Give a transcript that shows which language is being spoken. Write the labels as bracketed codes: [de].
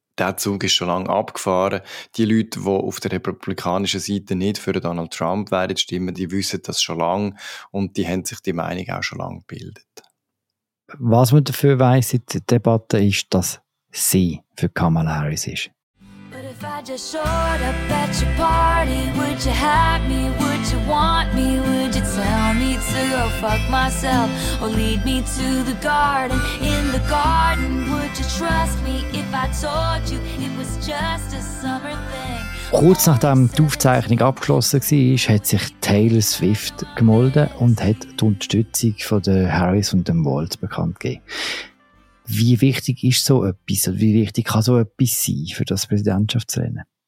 [de] Der Zug ist schon lange abgefahren. Die Leute, die auf der republikanischen Seite nicht für Donald Trump werden stimmen, die wissen das schon lange und die haben sich die Meinung auch schon lange gebildet. Was man dafür weiss in der Debatte ist, dass sie für Kamala Harris ist. [en] If I just showed up at your party, would you have me, would you want me, would you tell me to go fuck myself, or lead me to the garden, in the garden, would you trust me, if I told you it was just a summer thing. [de] Kurz nachdem die Aufzeichnung abgeschlossen war, hat sich Taylor Swift gemeldet und hat die Unterstützung von Harris und dem Walt bekannt gegeben. Wie wichtig ist so etwas? Wie wichtig kann so etwas sein für das Präsidentschaftsrennen?